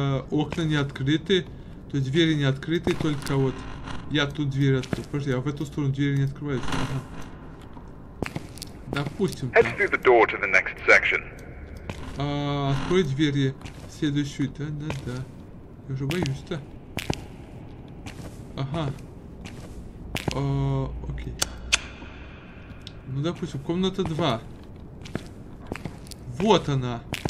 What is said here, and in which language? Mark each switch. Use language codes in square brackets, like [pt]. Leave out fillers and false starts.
[ru] Окна не открыты. То есть двери не открыты, только вот я тут дверь открыл. Подожди, а в эту сторону двери не открываются? Ага. Допустим. [en] Head through the door to the next section. [ru] Открой двери следующую. Да. Я уже боюсь-то. Ага. Окей. Ну, допустим, комната 2. Вот она.